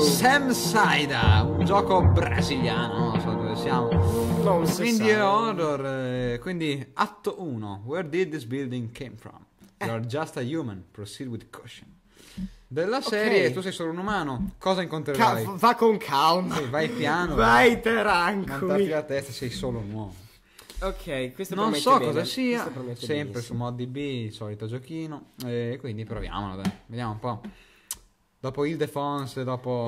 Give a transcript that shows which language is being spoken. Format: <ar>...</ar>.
<it>Sam Saida, un gioco brasiliano, non so dove siamo. Quindi horror, quindi atto 1,</it> <en>where did this building came from? You are just a human, proceed with caution.</en> <it>Della serie, okay. Tu sei solo un umano, cosa incontrerai? Va con calma. Sì, vai piano. Vai tranquillo. Mantati la testa, sei solo un uomo. Ok, questo non so bene. Cosa sia, sempre benissimo. Su ModDB, il solito giochino, e quindi proviamolo, dai. Vediamo un po'. Dopo il Defense, dopo...</it>